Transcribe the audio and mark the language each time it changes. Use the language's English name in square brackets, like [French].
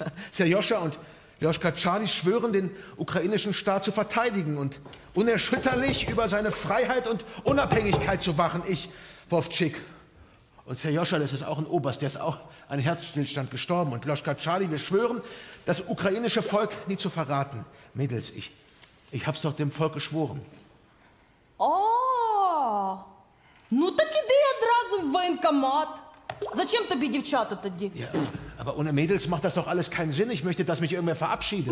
[German] Serjoscha und Joschka Charlie schwören, den ukrainischen Staat zu verteidigen und unerschütterlich über seine Freiheit und Unabhängigkeit zu wachen. Ich, Wovcik und Serjoscha, das ist auch ein Oberst, der ist auch an Herzstillstand gestorben. Und Joschka Charlie, wir schwören, das ukrainische Volk nie zu verraten. Mädels, ich hab's doch dem Volk geschworen. [Ukrainian] Oh, nu так іди одразу в воєнкомат. Зачем тобі дівчата тоді? [German] Ja, Aber ohne Mädels macht das doch alles keinen Sinn. Ich möchte, dass mich irgendwer verabschiedet.